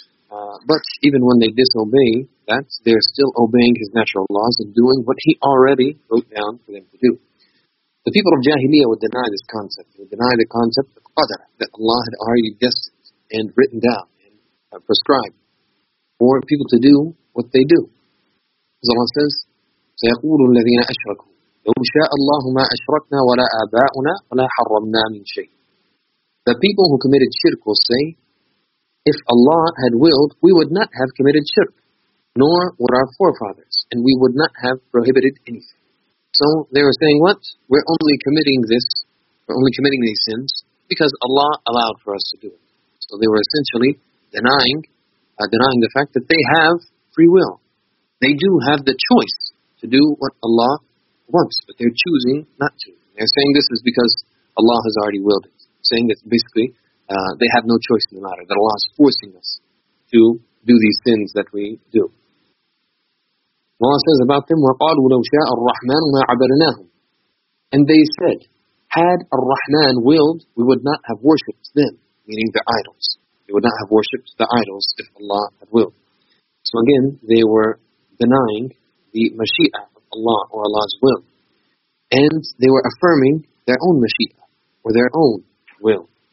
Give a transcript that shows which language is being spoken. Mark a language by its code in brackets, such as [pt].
[en] But even when they disobey that, they're still obeying His natural laws and doing what He already wrote down for them to do. The people of Jahiliyyah would deny this concept. They would deny the concept of Qadr, that Allah had already destined and written down and prescribed for people to do what they do. As Allah says, [ar] سيقول الذين أشركوا لو شاء الله ما أشركنا ولا آباؤنا ولا حرمنا من شيء. [en] The people who committed shirk will say, if Allah had willed, we would not have committed shirk, nor would our forefathers, and we would not have prohibited anything. So they were saying, what? We're only committing these sins because Allah allowed for us to do it. So they were essentially denying the fact that they have free will. They do have the choice to do what Allah wants, but they're choosing not to. They're saying this is because Allah has already willed it. Saying that basically they have no choice in the matter, that Allah is forcing us to do these sins that we do. Allah says about them, [ar] وَقَالُوا لَوْ شَاءَ الرَّحْمَنُ مَا عَبَدْنَاهُمْ. [en] And they said, had Ar-Rahman willed, we would not have worshipped them, meaning the idols. We would not have worshipped the idols if Allah had willed. So again, they were denying the Mashi'a of Allah, or Allah's will. And they were affirming their own Mashi'a, or their own will.